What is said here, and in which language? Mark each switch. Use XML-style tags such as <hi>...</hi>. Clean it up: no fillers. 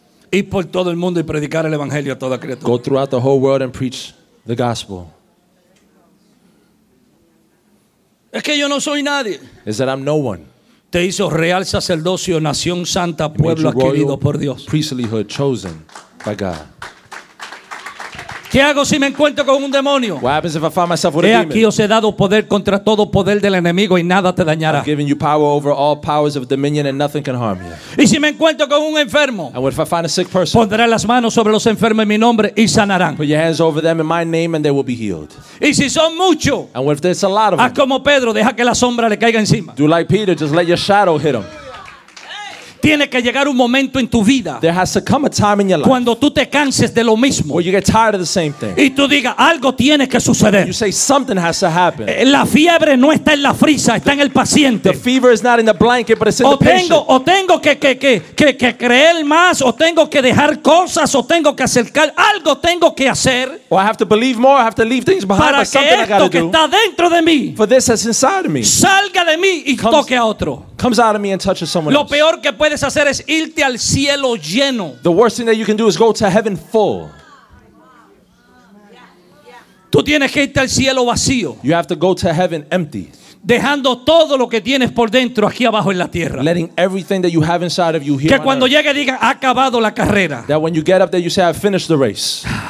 <es>Y por todo el mundo y predicar el evangelio a toda criatura.</es> <en>Go throughout the whole world and preach the gospel.</en> <es>Es que yo no soy nadie.</es> <en>Is that I'm no one.</en> <es>Te hizo real sacerdocio, nación santa, pueblo adquirido por Dios.</es> <en>Priestlyhood chosen by God.</en> <es>¿Qué hago si me encuentro con un demonio?</es> <en>What happens if I find myself with a demon?</en> <es>He aquí os he dado poder contra todo poder del enemigo y nada te dañará.</es> <en>I've given you power over all powers of dominion and nothing can harm you.</en> <es>Y si me encuentro con un enfermo,</es> <en>and what if I find a sick person?</en> <es>Pondré las manos sobre los enfermos en mi nombre y sanarán.</es> <en>Put your hands over them in my name and they will be healed.</en> <es>Y si son muchos,</es> <en>and what if there's a lot of them?</en> <es>Haz como Pedro, deja que la sombra le caiga encima.</es> <en>Do like Peter, just let your shadow hit him.</en> <es>Tiene que llegar un momento en tu vida.</es> <en>There has to come a time in your life.</en> <es>Cuando tú te canses de lo mismo.</es> <en>Where you get tired of the same thing.</en> <es>Y tú digas, algo tiene que suceder.</es> <en>You say something has to happen.</en> <es>La fiebre no está en la frisa, está en el paciente.</es> <en>The fever is not in the blanket, but it's in the patient.</en> <es>O tengo que creer más, o tengo que dejar cosas, o tengo que acercar. Algo tengo que hacer.</es> <en>Or I have to believe more, I have to leave things behind.</en> <es>Para</es> <en>but something</en> <es>que esto</es> <en>I</en> <es>que</es> <en>do,</en> <es>está dentro de mí.</es> <en>For this that's inside of me.</en> <es>Salga de mí y comes, toque a otro.</es> <en>Comes out of me and touches someone else.</en> <es>Lo peor que puedes hacer es irte al cielo lleno.</es> <en>The worst thing that you can do is go to heaven full.</en> <es>Tú tienes que irte al cielo vacío.</es> <en>You have to go to heaven empty.</en> <es>Dejando todo lo que tienes por dentro aquí abajo en la tierra.</es> <en>Letting everything that you have inside of you here.</en> <es>Que cuando llegue diga ha acabado la carrera.</es> <en>That when you get up there you say I've finished the race.</en>